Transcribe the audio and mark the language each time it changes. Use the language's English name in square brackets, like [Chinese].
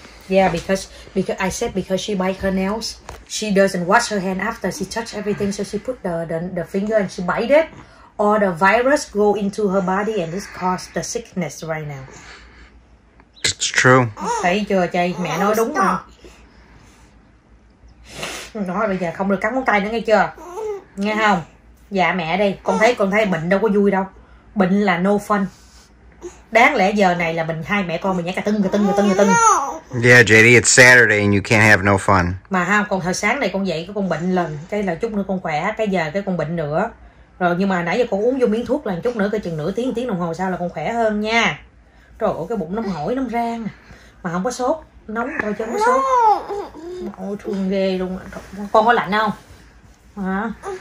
[English] Yeah, because I said because she bite her nails, she doesn't wash her hand after she touch everything, so she put the finger and she bite it, or the virus go into her body and this cause the sickness right now. It's true. [Vietnamese] Thấy chưa, chay mẹ nói đúng mà. Nói bây giờ không được cắn móng tay nữa nghe chưa? Nghe không? Dạ mẹ đi, con thấy bệnh đâu có vui đâu. Bệnh là [English] no fun. [Vietnamese] Đáng lẽ giờ này là mình hai mẹ con mình nhảy cà tưng. [English] Yeah, JD, it's Saturday and you can't have no fun. [Vietnamese] Mà không, còn hồi sáng này con dậy con bệnh lần, cái là chút nữa con khỏe, cái giờ cái con bệnh nữa. Rồi nhưng mà nãy giờ con uống vô miếng thuốc là chút nữa, cái chừng nửa tiếng, tiếng đồng hồ sau là con khỏe hơn nha. Trời ơi, cái bụng nóng hổi, nóng rang à. Mà không có sốt, nóng thôi chứ không có sốt. Ôi, thương ghê luôn. Con có lạnh không? Hả?